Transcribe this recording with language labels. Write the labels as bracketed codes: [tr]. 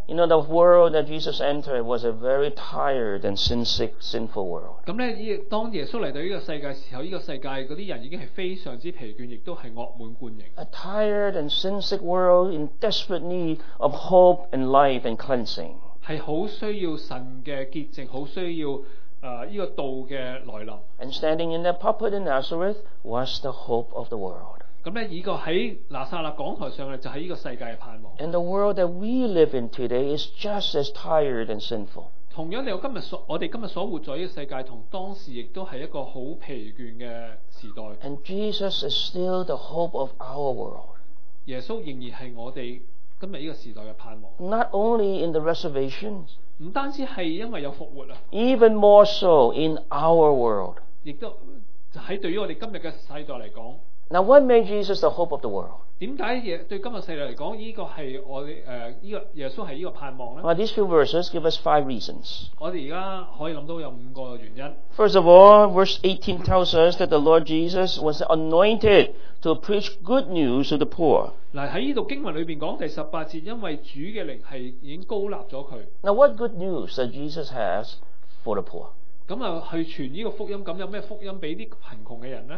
[en] You know, the world that Jesus entered was a very tired and sin-sick, sinful world. [yue] 咁咧，当耶稣嚟到呢个世界时候，呢个世界嗰啲人已经系非常之疲倦，亦都系恶满贯盈。 [en] A tired and sin-sick world in desperate need of hope and life and cleansing. [yue] 系好需要神嘅洁净，好需要呢个道嘅来临。 [en] And standing in that pulpit in Nazareth was the hope of the world. [yue] 咁咧，依個喺拿撒勒講台上咧，就係依個世界嘅盼望。 [en] And the world that we live in today is just as tired and sinful. [yue] 同樣，我哋今日所活在依個世界，同當時亦都係一個好疲倦嘅時代。 [en] And Jesus is still the hope of our world. [yue] 耶穌仍然係我哋今日依個時代嘅盼望。 [en] Not only in the resurrection. [yue] 唔單止係因為有復活啊。 [en] Even more so in our world. [yue] 亦都喺對於我哋今日嘅世代嚟講。 [en] Now, what made Jesus the hope of the world? [yue] 点解对今日世代嚟讲，呢个系我哋呢个耶稣系呢个盼望咧？ [en] Well, these few verses give us five reasons. [yue] 我哋而家可以谂到有五个原因。 [en] First of all, verse 18 tells us that the Lord Jesus was anointed to preach good news to the poor. [yue] 嗱喺呢度经文里边讲第十八节，因为主嘅灵系已经高立咗佢。 [en] Now, what good news that Jesus has for the poor? [yue] 咁啊，去传呢个福音，咁有咩福音俾啲贫穷嘅人咧